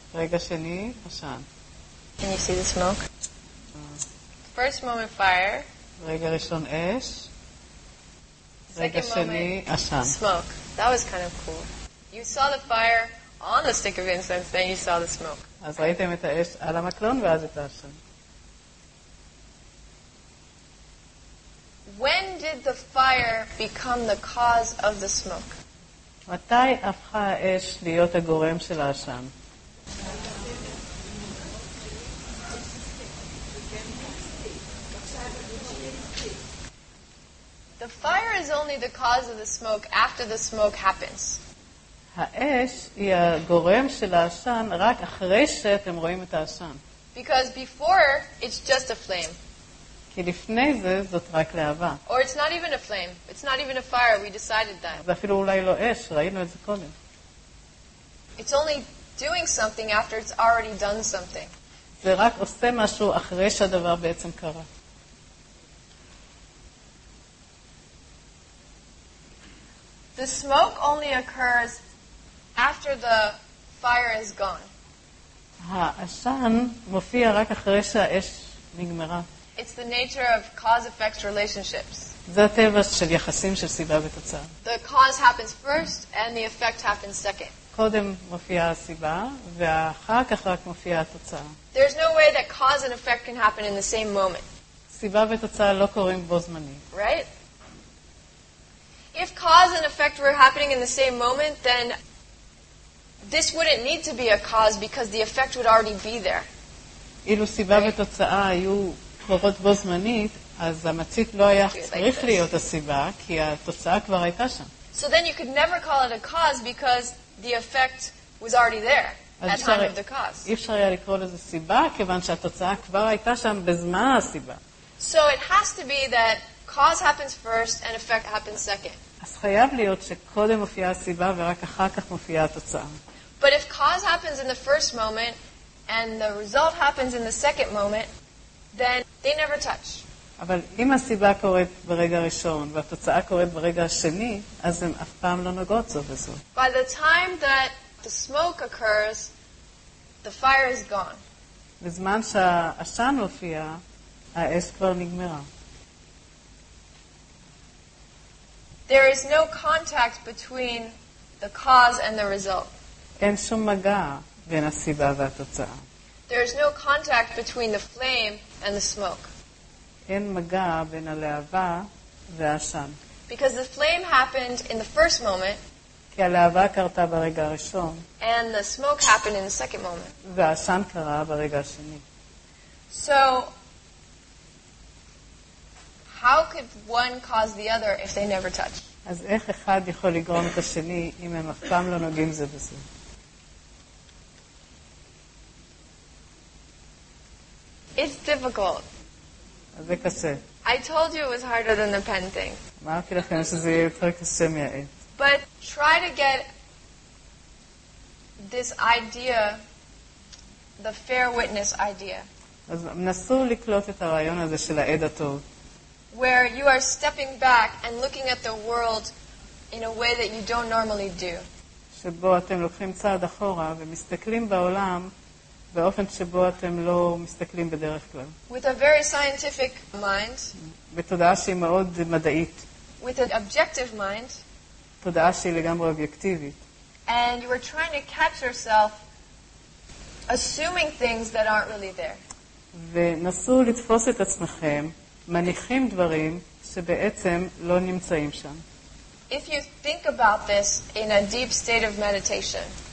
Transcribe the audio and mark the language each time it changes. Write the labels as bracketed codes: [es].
[he] רגע שני, עשן. [en] Can you see the smoke? First moment, fire. [he] רגע ראשון, אש. רגע שני, עשן. [en] Smoke. That was kind of cool. You saw the fire on the stick of incense, then you saw the smoke. [he] אז ראיתם את האש על המקלון ואז את העשן. [en] When did the fire become the cause of the smoke? [he] מתי הפכה האש להיות הגורם של העשן? [en] The fire is only the cause of the smoke after the smoke happens. [he] האש היא הגורם של העשן רק אחרי שאתם רואים את העשן. [en] Because before it's just a flame. [he] כי לפני זה, זאת רק להבה. [en] Or it's not even a flame. It's not even a fire. We decided that. [he] זה אפילו אולי לא אש. ראינו את זה קודם. [en] It's only doing something after it's already done something. [he] זה רק עושה משהו אחרי שהדבר בעצם קרה. [en] The smoke only occurs after the fire is gone. [he] העשן מופיע רק אחרי שהאש נגמרה. [en] It's the nature of cause-effect relationships. [he] זה הטבע של יחסים של סיבה ותוצאה. [en] The cause happens first and the effect happens second. [he] קודם מופיעה הסיבה ואחר כך רק מופיעה התוצאה. [en] There's no way that cause and effect can happen in the same moment. [he] סיבה ותוצאה לא קורים בו זמנית. [en] Right? If cause and effect were happening in the same moment, then this wouldn't need to be a cause because the effect would already be there. [he] אילו סיבה ותוצאה היו קורות בו זמנית, אז המצית לא היה צריך להיות הסיבה, כי התוצאה כבר הייתה שם. [en] So then you could never call it a cause because the effect was already there at time of the cause. [he] אי אפשר היה לקרוא לזה סיבה, כיוון שהתוצאה כבר הייתה שם בזמן הסיבה. [en] So it has to be that cause happens first and effect happens second. [he] אז חייב להיות שקודם מופיעה הסיבה ורק אחר כך מופיעה התוצאה. [en] But if cause happens in the first moment and the result happens in the second moment, then they never touch. [he] אבל אם הסיבה קורית ברגע ראשון והתוצאה קורית ברגע השני, אז הם אף פעם לא נוגעות זו בזו. [en] By the time that the smoke occurs, the fire is gone. [he] בזמן שהעשן הופיע, האש כבר נגמרה. [en] There is no contact between the cause and the result. [he] אין שום מגע בין הסיבה והתוצאה. [en] There is no contact between the flame and the smoke. [he] אין מגע בין הלהבה והעשן. [en] Because the flame happened in the first moment. [he] כי הלהבה קרתה ברגע הראשון. [en] And the smoke happened in the second moment. [he] והעשן קרה ברגע השני. [en] So, how could one cause the other if they never touch? [he] אז איך אחד יכול לגרום את השני אם הם אף פעם לא נוגעים זה בזה? [en] It's difficult. [he] זה קשה. [en] I told you it was harder than the pen thing. [he] אמרתי לכם שזה יהיה יותר קשה מהעט. [en] But try to get this idea, the fair witness idea. [he] אז נסו לקלוט את הרעיון הזה של העד הטוב. [en] Where you are stepping back and looking at the world in a way that you don't normally do. [he] שבו אתם לוקחים צעד אחורה ומסתכלים בעולם באופן שבו אתם לא מסתכלים בדרך כלל. [en] With a very scientific mind. [he] בתודעה שהיא מאוד מדעית. [en] With an objective mind. [he] תודעה שהיא לגמרי אובייקטיבית. [en] And you were trying to catch yourself assuming things that aren't really there. [he] ונסו לתפוס את עצמכם מניחים דברים שבעצם לא נמצאים שם. [en] If you think about this in a deep state of meditation.